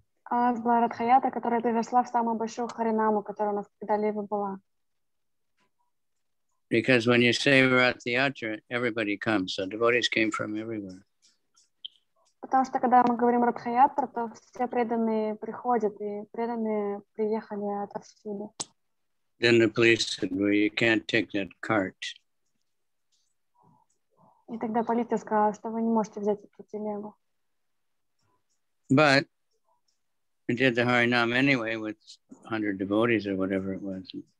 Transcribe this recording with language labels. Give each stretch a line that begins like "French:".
Russian: А была Радхаята, которая привезла в самую большую Харинаму, которая у нас когда-либо была.
English: Because when you say Rathiatra, everybody comes. So devotees came from everywhere.
Russian: Потому что когда мы говорим Радхаятра, то все преданные приходят, и преданные приехали отовсюду.
English: Then the police said, well, you can't take that cart.
Russian: И тогда полиция сказала, что вы не можете взять эту телегу.
English: But we did the Харинам anyway with 100 devotees or whatever it was.